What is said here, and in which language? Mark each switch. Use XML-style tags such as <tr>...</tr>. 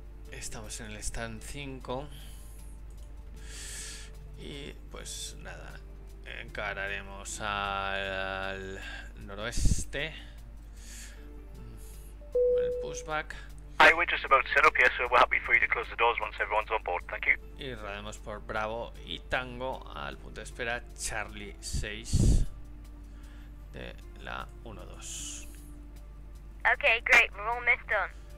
<es>Estamos en el stand 5. Y pues nada, encararemos al noroeste el pushback.</es> <en>Hi, we're just about to set up here, so we're happy for you to close the doors once everyone's on board. Thank you.</en> <es>Y rodemos por Bravo y Tango al punto de espera Charlie 6 de la 1-2.</es> <en>Okay, great, we're almost done.</en>